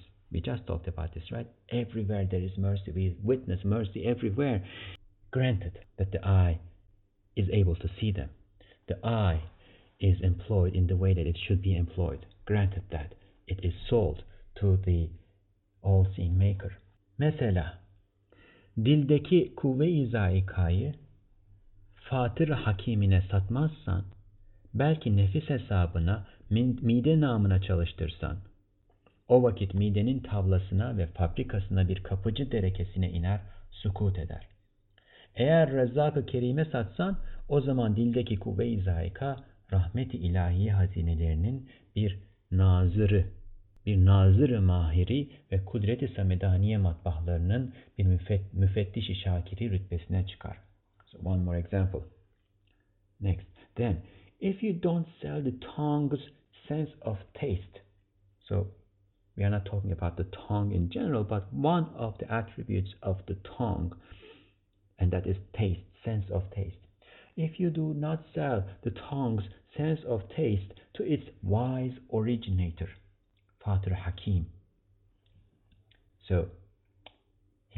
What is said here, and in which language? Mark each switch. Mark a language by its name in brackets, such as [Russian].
[English] We just talked about this, right? Everywhere there is mercy. We witness mercy everywhere. Granted that the eye is able to see them. The eye is employed in the way that it should be employed. Granted that it is sold to the all-seeing maker. [Turkish] Mesela, dildeki kuvve-i zayikayı fatır-ı hakimine satmazsan, belki nefis hesabına, mide namına çalıştırsan, o vakit midenin tavlasına ve fabrikasına bir kapıcı derekesine iner, sukut eder. Eğer Rezzak-ı Kerim'e satsan, o zaman dildeki kuvve-i zayika, rahmet-i ilahi hazinelerinin bir nazırı mahiri ve kudret-i samedaniye matbahlarının bir müfettiş-i şakiri rütbesine çıkar. [English] So one more example. Next. Then, if you don't sell the tongue's sense of taste, so we are not talking about the tongue in general, but one of the attributes of the tongue, and that is taste, sense of taste. If you do not sell the tongue's sense of taste to its wise originator, Fatır Hakim. So, he